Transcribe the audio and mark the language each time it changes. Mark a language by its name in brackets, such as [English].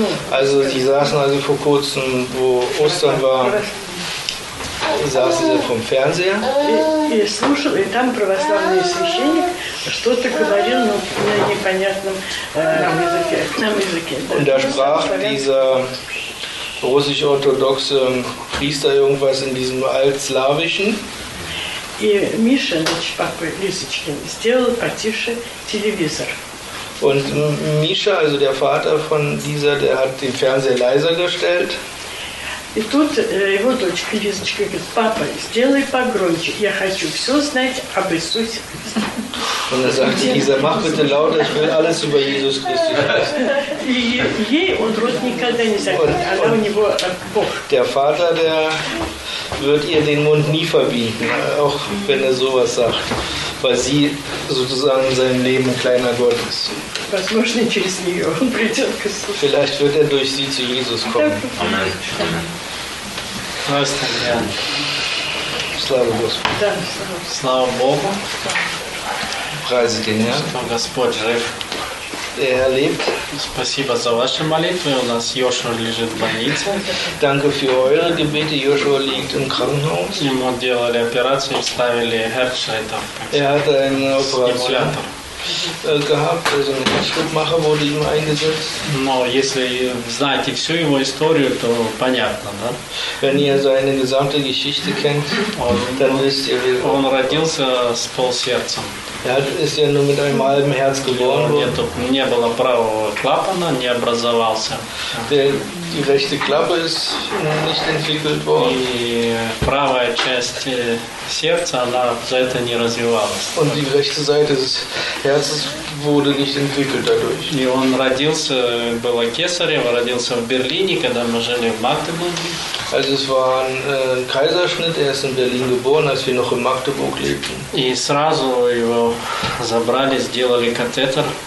[German] Also die saßen also vor kurzem, wo Ostern war, saßen sie vom Fernseher. [Russian] И слушал, и там православный священник что-то говорил на непонятном языке. [German] Und da sprach dieser russisch-orthodoxe Priester irgendwas in diesem altslawischen. [Russian] И Миша, значит, папа Лисочкин, сделал потише телевизор. [German] Und Misha, also der Vater von dieser, der hat den Fernseher leiser gestellt. [Russian] И тут его дочка Лизочка говорит: «Папа, сделай погромче, я хочу все знать об Иисусе Христе». [German] Und er sagt: «Lisa, mach bitte lauter, ich will alles über Jesus Christus wissen». [Russian] Ей он рот никогда не закрыл, она у него Бог. [German] Der Vater, der wird ihr den Mund nie verbieten, auch wenn er sowas sagt, weil sie sozusagen in seinem Leben ein kleiner Gott ist. [Russian] Возможно, через нее он придет к Иисусу. [German] Vielleicht wird er durch sie zu Jesus kommen. Amen. [Russian] Слава Господу. Слава Богу. Слава Богу. [German] Preise den Herrn. [Russian] Слава Господь жив. [German] Der Herr lebt. [Russian] Спасибо за ваши молитвы. У нас Йошуа лежит в больнице. [German] Danke für eure Gebete. Йошуа liegt im Krankenhaus. [Russian] Ему делали операцию и ставили Herzschalter. [German] Er hat einen Operator gehabt, also ein Herzschrittmacher wurde ihm eingesetzt. [Russian] Но если знаете всю его историю, то понятно, да? [German] Wenn ihr seine gesamte Geschichte kennt, dann wisst ihr, wie [Russian] он родился с полсердцем. [German] Ist ja nur mit einem halben Herz geboren worden. [Russian] Не было правого клапана, не образовался. [German] Die rechte Klappe ist nicht entwickelt worden. [Russian] И правая часть сердца, она за это не развивалась. [German] Und die rechte Seite des Herzens wurde nicht entwickelt dadurch. [Russian] И он родился, было кесарем, родился в Берлине, когда мы жили в Магдебурге. [German] Also es war ein Kaiserschnitt, er ist in Berlin geboren, als wir noch in Magdeburg lebten. [Russian] И сразу его забрали, сделали катетер.